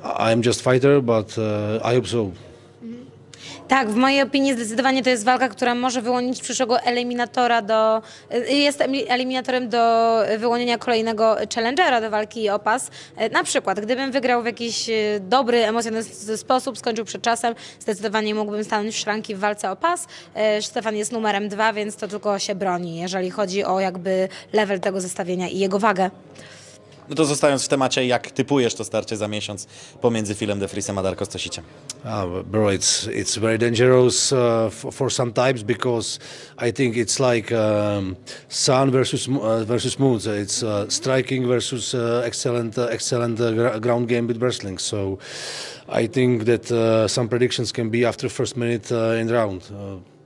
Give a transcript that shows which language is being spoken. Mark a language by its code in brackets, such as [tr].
[en] I'm just fighter, but I hope so. [pl] Tak, w mojej opinii zdecydowanie to jest walka, która może wyłonić przyszłego eliminatora do... Jest eliminatorem do wyłonienia kolejnego challengera do walki o pas. Na przykład, gdybym wygrał w jakiś dobry, emocjonalny sposób, skończył przed czasem, zdecydowanie mógłbym stanąć w szranki w walce o pas. Stefan jest numerem dwa, więc to tylko się broni, jeżeli chodzi o jakby level tego zestawienia i jego wagę. No to zostając w temacie, jak typujesz to starcie za miesiąc pomiędzy Filem de Frisem a Darko Stosiciem? [en] Bro, it's very dangerous for some types because I think it's like sun versus moon. So it's striking versus excellent ground game with wrestling. So I think that some predictions can be after first minute in round.